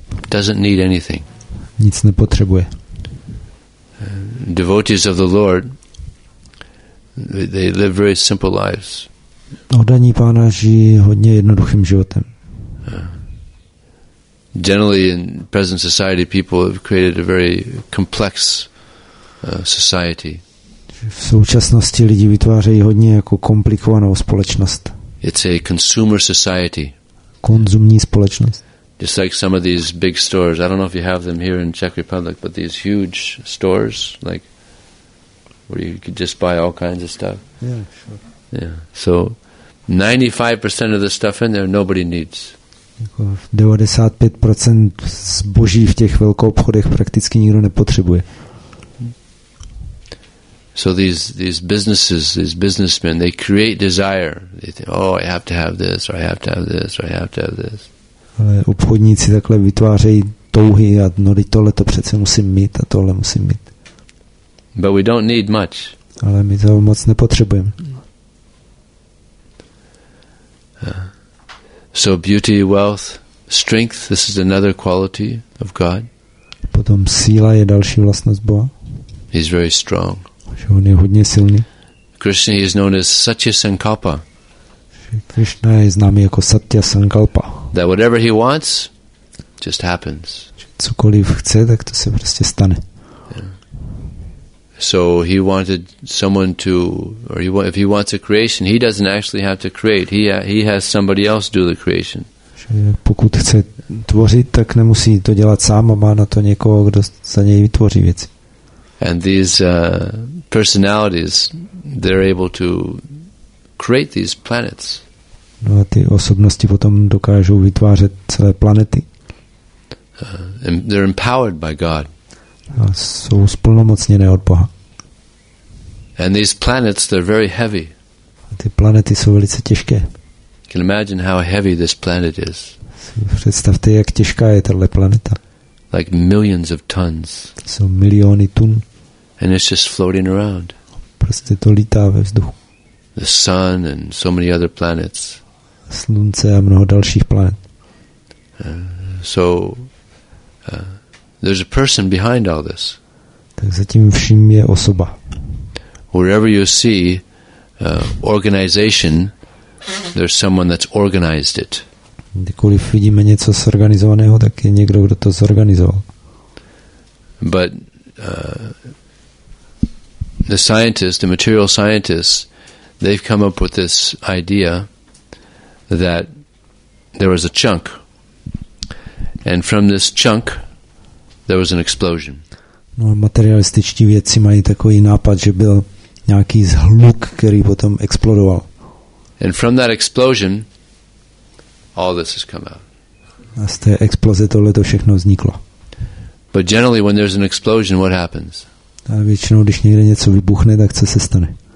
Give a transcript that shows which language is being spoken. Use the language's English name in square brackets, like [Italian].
[English] Doesn't need anything. [Czech] Nic nepotřebuje. [English] Devotees of the Lord, they live very simple lives. [Czech] Oddaní Pána žijí hodně jednoduchým životem. [English] Generally in present society people have created a very complex society. [Czech] V současnosti lidi vytvářejí hodně jako komplikovanou společnost. [English] It's a consumer society. [Czech] Konzumní společnost. [English] Just like some of these big stores. I don't know if you have them here in Czech Republic, but these huge stores, like where you could just buy all kinds of stuff. Yeah, sure. Yeah. So 95% of the stuff in there nobody needs. [Czech] 95% zboží v těch velkou obchodech prakticky nikdo nepotřebuje. [English] So these businesses, these businessmen, they create desire. They think, oh, I have to have this, or I have to have this, or I have to have this. [Czech] Ale obchodníci takhle vytvářejí touhy a no, tohle to přece musím mít a tohle musím mít. [English] But we don't need much. [Czech] Ale my toho moc nepotřebujeme. [English] So beauty, wealth, strength, this is another quality of God. [Czech] Potom síla je další vlastnost Boha. [English] He's very strong. [Czech] Že on je hodně silný. [English] Krishna is known as Satya Sankalpa. [Czech] Krishna je známý jako Satya Sankalpa. [English] That whatever he wants just happens. [Czech] Cokoliv chce, tak to se prostě stane. [English] So he wanted someone to, or he, if he wants a creation, he doesn't actually have to create. He has somebody else do the creation. [Czech] Pokud chce tvořit, tak nemusí to dělat sám, a má na to někoho, kdo za něj vytvoří věci. [English] And these personalities, they're able to create these planets. [Czech] No a ty osobnosti potom dokážou vytvářet celé planety. [English] And they're empowered by God. [Czech] A jsou zplnomocněné od Boha. [English] And these planets, they're very heavy. [Czech] A ty planety jsou velice těžké. [English] Can imagine how heavy this planet is. [Czech] Představte, jak těžká je tato planeta. [English] Like millions of tons. [Czech] Jsou miliony tun. [English] And it's just floating around. [Czech] Prostě to lítá ve vzduchu. [English] The sun and so many other planets. [Czech] Slunce a mnoho dalších planet. [English] There's a person behind all this. [Czech] Tak za tím vším je osoba. [English] Wherever you see organization, there's someone that's organized it. [Czech] Kdykoliv vidíme něco zorganizovaného, tak je někdo, kdo to zorganizoval. [English] But the scientists, the material scientists, they've come up with this idea that there was a chunk. And from this chunk, there was an explosion. [Czech] No, materialističtí vědci mají takový nápad, že byl nějaký zhluk, který potom explodoval. [English] And from that explosion, all this has come out. [Czech] A z té exploze tohle to všechno vzniklo. [English] But generally, when there's an explosion, what happens? [Czech] A většinou, když někde něco vybuchne, tak co se stane?